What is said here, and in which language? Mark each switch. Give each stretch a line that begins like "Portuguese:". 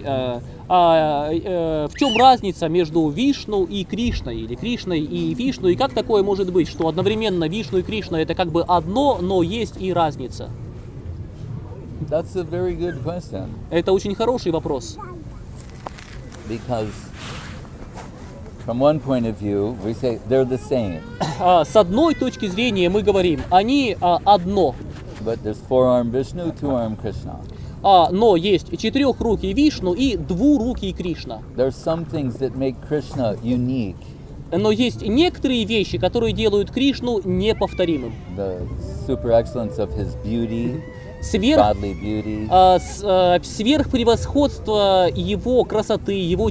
Russian: В чем разница между Вишну и Кришной? Или Кришной и Вишну? И как такое может быть, что одновременно Вишну и Кришна это как бы одно, но есть и разница?
English: That's a very good question.
Russian: Это очень хороший вопрос.
English: Because from one point of view, we say they're the same.
Russian: С одной точки зрения мы говорим, они одно.
English: But there's four-armed Vishnu, two-armed Krishna.
Russian: Но есть четырехрукий Вишну и двурукий Кришна.
English: There's some things that make Krishna unique.
Russian: Но есть некоторые вещи, которые делают Кришну неповторимым.
English: The super excellence of his beauty.
Russian: Сверхпревосходство его красоты, его